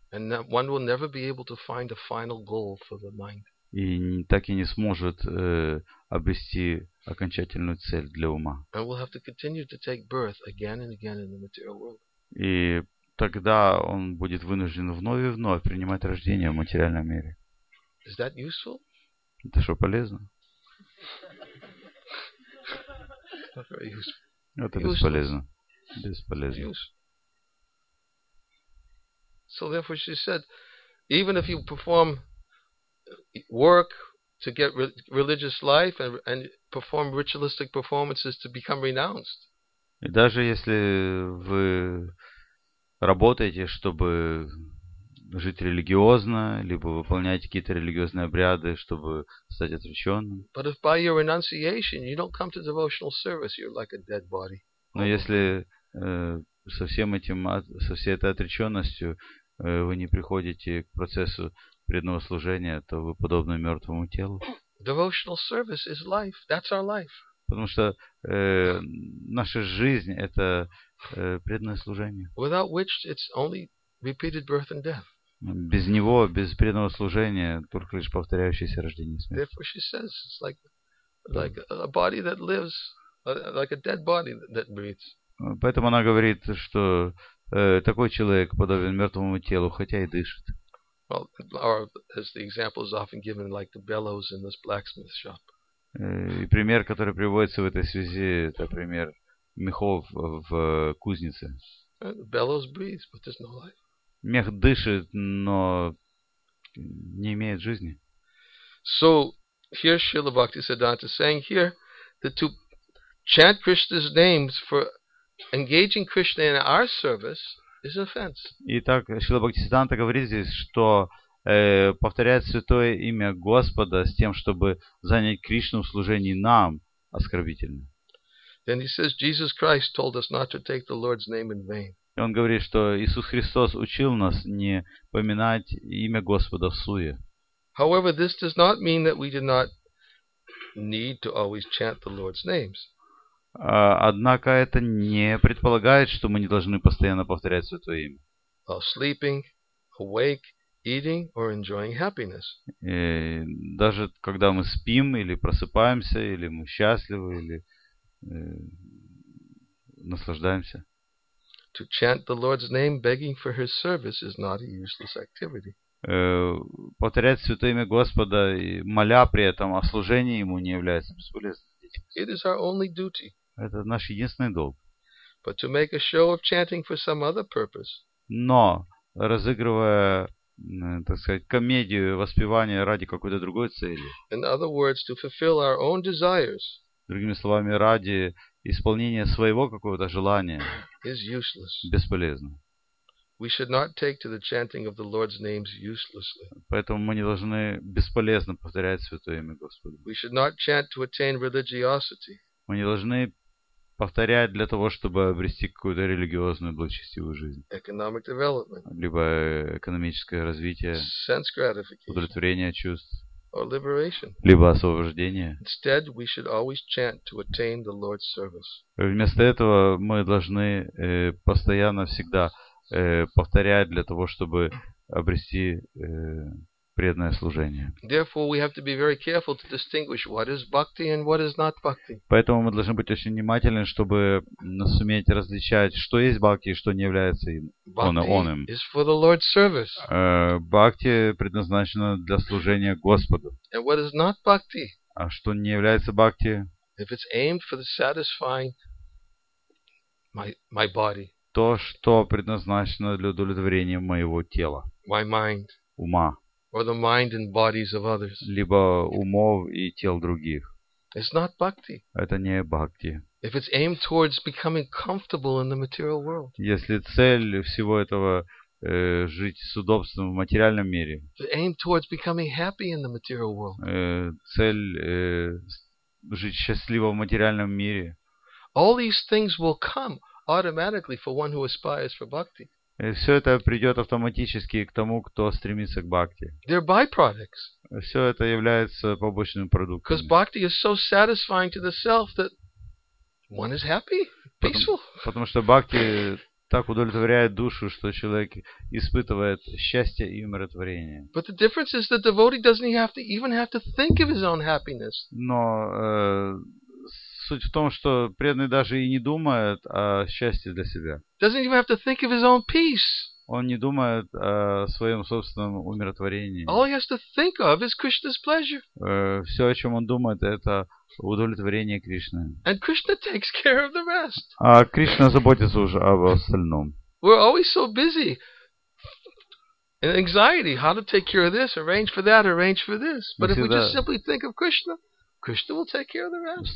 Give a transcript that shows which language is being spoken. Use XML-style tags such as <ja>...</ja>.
<en>And one will never be able to find a final goal for the mind.</en> <ru>И так и не сможет обрести окончательную цель для ума.</ru> <en>And will have to continue to take birth again and again in the material world.</en> <ru>И тогда он будет вынужден вновь и вновь принимать рождение в материальном мире.</ru> <en>Is that useful?</en> <ru>Это что, полезно? Это бесполезно. Бесполезно.</ru> <en>So therefore she said, even if you perform work to get religious life and perform ritualistic performances to become renounced.</en> <ru>И даже если вы работаете, чтобы жить религиозно, либо выполняете какие-то религиозные обряды, чтобы стать отреченным.</ru> <en>But if by your renunciation you don't come to devotional service, you're like a dead body.</en> <ru>Но если со всем этим, со всей этой отреченностью вы не приходите к процессу преданного служения, то вы подобны мертвому телу.</ru> <en>Devotional service is life. That's our life.</en> <ru>Потому что наша жизнь – это преданное служение.</ru> <en>Without which it's only repeated birth and death.</en> <ru>Без него, без преданного служения, только лишь повторяющееся рождение и смерть.</ru> <en>Therefore she says, it's like a body that lives, like a dead body that breathes.</en> <ru>Поэтому она говорит, что такой человек подобен мертвому телу, хотя и дышит.</ru> <en>Well, or as the example is often given, like the bellows in this blacksmith shop.</en> <ru>И пример, который приводится в этой связи, это пример мехов в кузнице.</ru> <en>The bellows breathes, but there's no life.</en> <ru>Мех дышит, но не имеет жизни.</ru> <en>So here Srila Bhaktisiddhanta saying here that to chant Krishna's names for engaging Krishna in our service is an offense.</en> <ru>Итак, Шрила Бхактисиддханта говорит здесь, что повторять святое имя Господа с тем, чтобы занять Кришну в служении нам, оскорбительно.</ru> <en>Then he says, Jesus Christ told us not to take the Lord's name in vain.</en> <ru>И он говорит, что Иисус Христос учил нас не поминать имя Господа в суе.</ru> <en>However, this does not mean that we do not need to always chant the Lord's names.</en> <ru>Однако это не предполагает, что мы не должны постоянно повторять святое имя.</ru> <en>While sleeping, awake, eating, or enjoying happiness.</en> <ru>И даже когда мы спим или просыпаемся, или мы счастливы, или наслаждаемся.</ru> <en>To chant the Lord's name, begging for His service, is not a useless activity.</en> <ru>Повторять святое имя Господа, моля при этом о служении Ему, не является бесполезным.</ru> <en>It is our only duty.</en> <ru>Это наш единственный долг.</ru> <en>But to make a show of chanting for some other purpose.</en> <ru>Но разыгрывая, так сказать, комедию воспевания ради какой-то другой цели.</ru> <en>In other words, to fulfill our own desires.</en> <ru>Другими словами, ради исполнения своего какого-то желания.</ru> <en>Is useless.</en> <ru>Бесполезно.</ru> <en>We should not take to the chanting of the Lord's names uselessly.</en> <ru>Поэтому мы не должны бесполезно повторять святое имя Господа.</ru> <en>We should not chant to attain religiosity.</en> <ru>Мы не должны повторять для того, чтобы обрести какую-то религиозную благочестивую жизнь.</ru> <en>Economic development.</en> <ru>Либо экономическое развитие.</ru> <en>Sense gratification.</en> <ru>Удовлетворение чувств.</ru> <en>Or liberation.</en> <ru>Либо освобождение.</ru> <en>Instead, we should always chant to attain the Lord's service.</en> <ru>Вместо этого мы должны постоянно всегда повторять для того, чтобы обрести преданное служение.</ru> <en>Therefore, we have to be very careful to distinguish what is bhakti and what is not bhakti.</en> <ru>Поэтому мы должны быть очень внимательны, чтобы суметь различать, что есть бхакти и что не является оным.</ru> <en>Bhakti is for the Lord's service.</en> <ru>Бхакти предназначена для служения Господу.</ru> <en>And what is not bhakti?</en> <ru>А что не является бхакти?</ru> <en>If it's aimed for the satisfying my body.</en> <ru>То, что предназначено для удовлетворения моего тела.</ru> <en>My mind.</en> <ru>Ума.</ru> <en>Or the mind and bodies of others.</en> <ru>Либо умов и тел других.</ru> <en>It's not bhakti.</en> <ru>Это не бхакти.</ru> <en>If it's aimed towards becoming comfortable in the material world.</en> <ru>Если цель всего этого жить с удобством в материальном мире.</ru> <en>If it's aimed towards becoming happy in the material world.</en> <ru>Цель жить счастливо в материальном мире.</ru> <en>All these things will come automatically for one who aspires for bhakti.</en> <ru>Все это придет автоматически к тому, кто стремится к бхакти.</ru> <en>They're byproducts.</en> <ru>Все это является побочным продуктом.</ru> <en>Because bhakti is so satisfying to the self that one is happy, peaceful.</en> <ru>Потому что бхакти так удовлетворяет душу, что человек испытывает счастье и умиротворение.</ru> <en>But the difference is that the devotee doesn't even have to think of his own happiness.</en> <ru>Но суть в том, что преданный даже и не думает о счастье для себя.</ru> <en>Doesn't even have to think of his own peace.</en> <ru>Он не думает о своем собственном умиротворении.</ru> <en>All he has to think of is Krishna's pleasure.</en> <ru>Все, о чем он думает, это удовлетворение Кришны.</ru> <en>And Krishna takes care of the rest.</en> <ru>А Кришна заботится уже об остальном.</ru> <en>We're always so busy. In anxiety, how to take care of this, arrange for that, arrange for this. But if we just simply think of Krishna, Krishna will take care of the rest.</en>